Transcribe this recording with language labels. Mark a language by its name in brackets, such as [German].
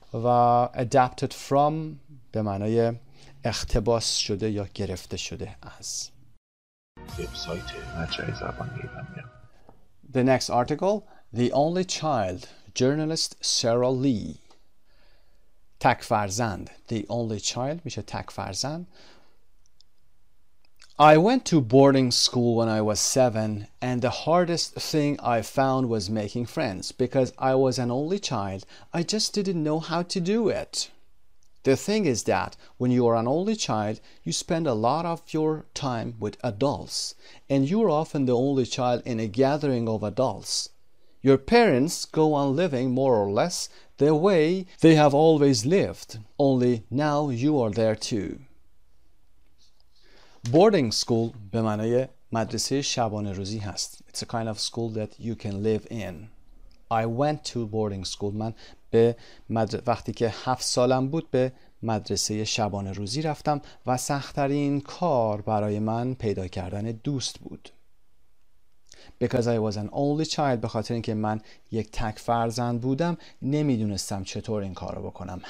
[Persian] و adapted from به معنای اقتباس شده یا گرفته شده از وبسایت مجله زبان ایرانی. [English] The next article، The Only Child، journalist Sara Lee. [Persian] تک فرزند، The Only Child میشه تک فرزند. [English] I went to boarding school when I was 7 and the hardest thing I found was making friends because I was an only child. I just didn't know how to do it. The thing is that when you are an only child, you spend a lot of your time with adults, and you are often the only child in a gathering of adults. Your parents go on living more or less the way they have always lived, only now you are there too. Boarding school [Persian] به معنی مدرسه شبانه روزی هست. [English] It's a kind of school that you can live in. I went to boarding school. [Persian] من به وقتی که 7 سالم بود به مدرسه شبانه روزی رفتم و سخت‌ترین کار برای من پیدا کردن دوست بود. [English] Because I was an only child, [Persian] به خاطر اینکه من یک تک فرزند بودم، نمیدونستم چطور این کارو بکنم.